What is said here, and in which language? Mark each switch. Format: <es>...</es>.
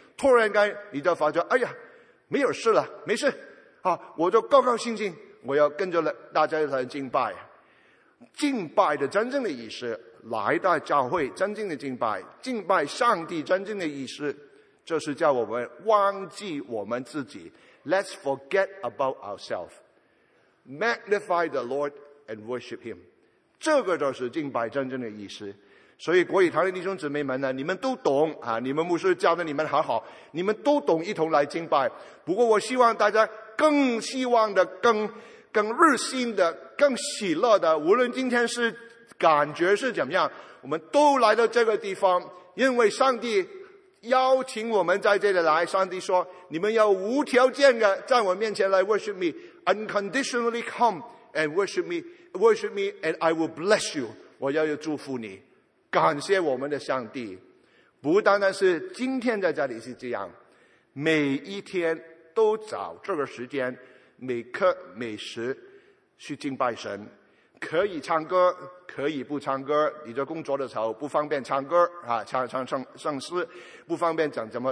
<zh>突然间你就发觉，哎呀，没有事了，没事啊，我就高高兴兴，我要跟着大家来敬拜。敬拜的真正的意思，来到教会真正的敬拜，敬拜上帝真正的意思，就是叫我们忘记我们自己。</zh> <en>Let's forget about ourselves. Magnify the Lord and worship Him.</en> <zh>这个就是敬拜真正的意思。所以国语堂的弟兄姊妹们呢，你们都懂啊，你们牧师教的你们好好，你们都懂一同来敬拜。不过我希望大家更希望的，更日新的，更喜乐的，无论今天是感觉是怎么样，我们都来到这个地方，因为上帝邀请我们在这里来。上帝说，你们要无条件的在我面前来</zh> <en>worship me。 Unconditionally come and worship me, and I will bless you.</en> <zh>我要祝福你，感谢我们的上帝。不单单是今天在这里是这样，每一天都找这个时间，每刻每时去敬拜神。可以唱歌，可以不唱歌。你在工作的时候不方便唱歌啊，唱诗，不方便讲什么。</zh>